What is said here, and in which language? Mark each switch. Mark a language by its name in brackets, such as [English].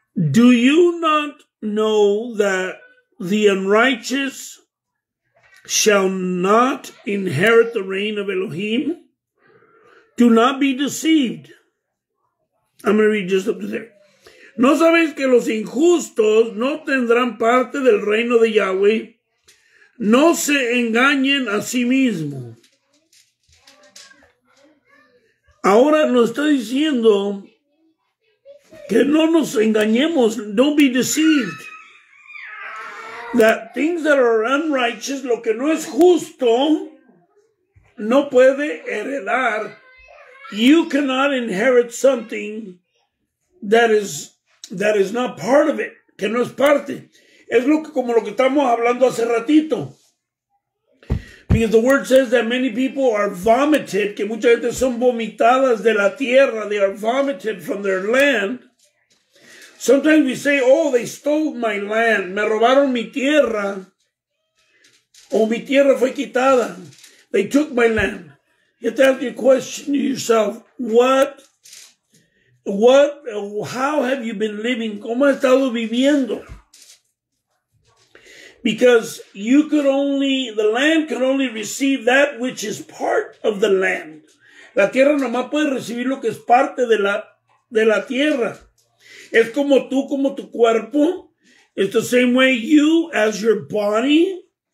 [English] Do you not know that the unrighteous shall not inherit the reign of Elohim? Do not be deceived. I'm going to read just up to there. [Spanish] ¿No sabéis que los injustos no tendrán parte del reino de Yahweh? No se engañen a sí mismos. Ahora nos está diciendo que no nos engañemos. [English] Don't be deceived. That things that are unrighteous, [Spanish] lo que no es justo, no puede heredar. [English] You cannot inherit something that is not part of it, [Spanish] que no es parte. Es lo que, como lo que estamos hablando hace ratito. [English] Because the word says that many people are vomited, [Spanish] que mucha gente son vomitadas de la tierra. [English] They are vomited from their land. Sometimes we say, oh, they stole my land. [Spanish] Me robaron mi tierra. O mi tierra fue quitada. [English] They took my land. You have to ask your question to yourself, how have you been living? [Spanish] ¿Cómo has estado viviendo? [English] Because the land can only receive that which is part of the land. [Spanish] La tierra nomás puede recibir lo que es parte de la tierra. Es como tú, como tu cuerpo. [English] It's the same way you as your body.